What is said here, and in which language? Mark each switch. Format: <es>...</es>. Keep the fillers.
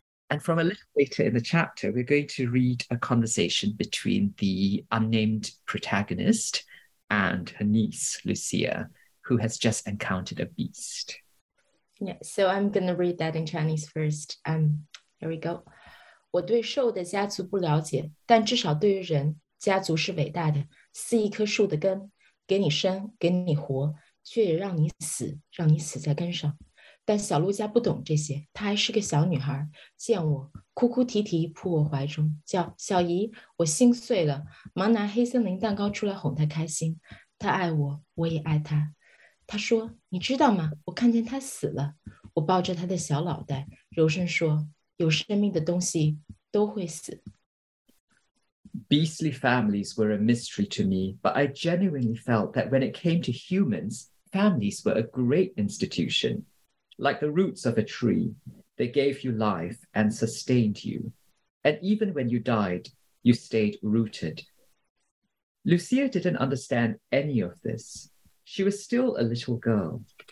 <en>And from a little later in the chapter, we're going to read a conversation between the unnamed protagonist and her niece, Lucia, who has just encountered a beast. Yeah, so I'm gonna read that in Chinese first. Um, here we go.</en> <zh>我对兽的家族不了解，但至少对于人，家族是伟大的，似一棵树的根，给你生，给你活，却也让你死，让你死在根上。但小陆家不懂这些，她还是个小女孩，见我哭哭啼啼扑我怀中，叫小姨，我心碎了，忙拿黑森林蛋糕出来哄她开心。她爱我，我也爱她，他说：“你知道吗？我看见他死了。” 我抱着他的小脑袋，柔声说：“有生命的东西都会死。”</zh> <en>Beastly families were a mystery to me, but I genuinely felt that when it came to humans, families were a great institution. Like the roots of a tree, they gave you life and sustained you. And even when you died, you stayed rooted. Lucia didn't understand any of this she was still a little girl.</en>